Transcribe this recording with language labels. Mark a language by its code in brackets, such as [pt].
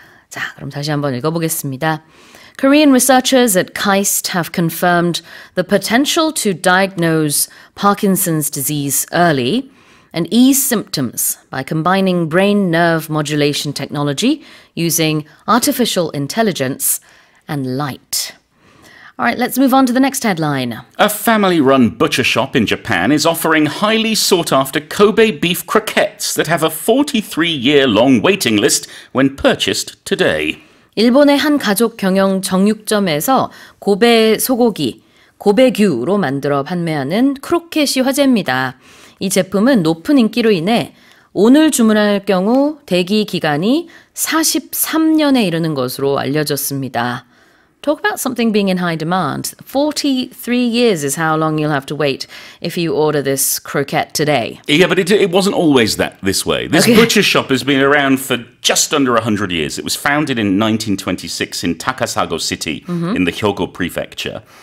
[ko] 자, 그럼 다시 한번 읽어보겠습니다. [en] Korean researchers at KAIST have confirmed the potential to diagnose Parkinson's disease early and ease symptoms by combining brain nerve modulation technology using artificial intelligence and light. All right, let's move on to the next headline. A family-run butcher shop in Japan is offering highly sought-after Kobe beef croquettes that have a 43-year-long waiting list when purchased today. [ko] 일본의 한 가족 경영 정육점에서 고베 소고기, 고베규로 만들어 판매하는 크로켓이 화제입니다. 이 제품은 높은 인기로 인해 오늘 주문할 경우 대기 기간이 43년에 이르는 것으로 알려졌습니다. [en] Talk about something being in high demand. 43 years is how long you'll have to wait if you order this croquette today. Yeah, but it wasn't always this way. Butcher shop has been around for just under 100 years. It was founded in 1926 in Takasago City in the Hyogo Prefecture.